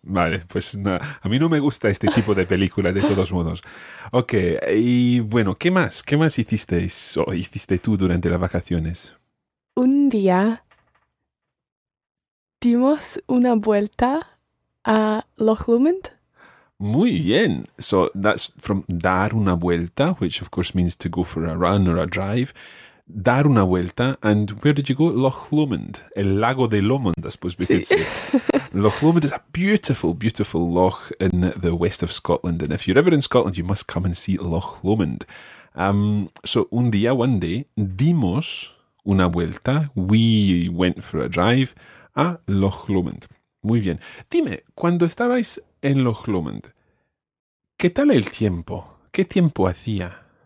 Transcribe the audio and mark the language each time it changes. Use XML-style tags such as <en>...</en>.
<es>Vale, pues no, a mí no me gusta este tipo de película, de todos modos. Ok, y bueno, ¿qué más? ¿Qué más hicisteis o hiciste tú durante las vacaciones? Un día dimos una vuelta a Loch Lomond. Muy bien.</es> <en>So that's from dar una vuelta, which of course means to go for a run or a drive. Dar una vuelta. And where did you go? Loch Lomond.</en> <es>El lago de Lomond,</es> <en>I suppose we could say. Loch Lomond is a beautiful, beautiful loch in the west of Scotland. And if you're ever in Scotland, you must come and see Loch Lomond.</en> <es>So un día,</es> <en>one day,</en> <es>dimos una vuelta.</es> <en>We went for a drive a Loch Lomond.</en> <es>Muy bien. Dime, cuando estabais en Loch Lomond, ¿qué tal el tiempo? ¿Qué tiempo hacía?</es>